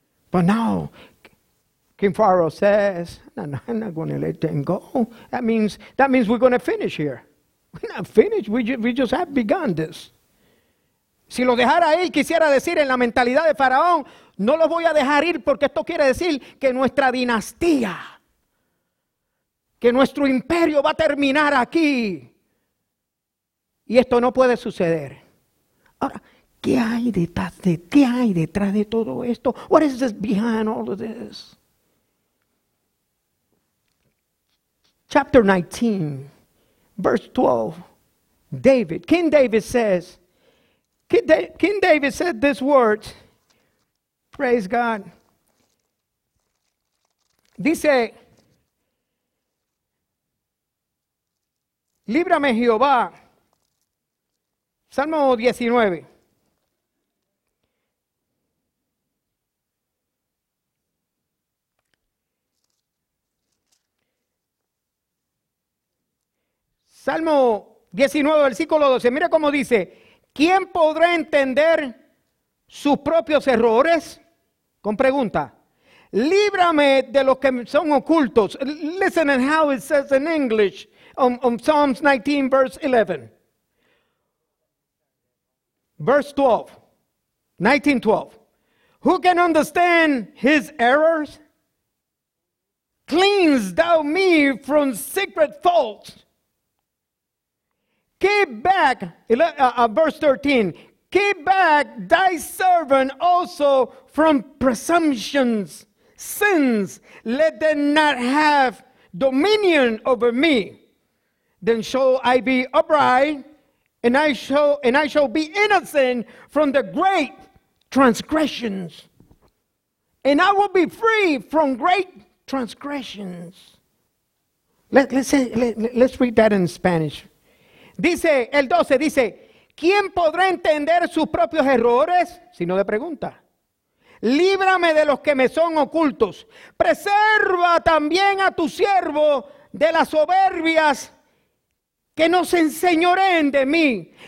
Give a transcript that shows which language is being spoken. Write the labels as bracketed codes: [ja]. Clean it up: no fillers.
[en] But now, King Pharaoh says, no, I'm not going to let them go. That means we're going to finish here. We're not finished. We just have begun this. [es] Si lo dejara ir, quisiera decir en la mentalidad de Faraón, no los voy a dejar ir, porque esto quiere decir que nuestra dinastía, que nuestro imperio va a terminar aquí. Y esto no puede suceder. Ahora, ¿Qué hay detrás de todo esto? [en] What is this behind all of this? Chapter 19, verse 12. David, King David says, King David said this word. Praise God. [es] Dice, líbrame Jehová. Salmo 19. Salmo 19, versículo 12. Mira cómo dice, ¿quién podrá entender sus propios errores? Con pregunta. Líbrame de los que son ocultos. [en] Listen and how it says in English on Psalms 19, verse 11. Verse 12. 19:12. Who can understand his errors? Cleanse thou me from secret faults. Keep back, verse 13. Keep back thy servant also from presumptions, sins. Let them not have dominion over me. Then shall I be upright, and I shall be innocent from the great transgressions. And I will be free from great transgressions. Let's read that in Spanish. [es] Dice, el 12 dice, ¿quién podrá entender sus propios errores? Sino de pregunta. Líbrame de los que me son ocultos. Preserva también a tu siervo de las soberbias que no se enseñoreen de mí.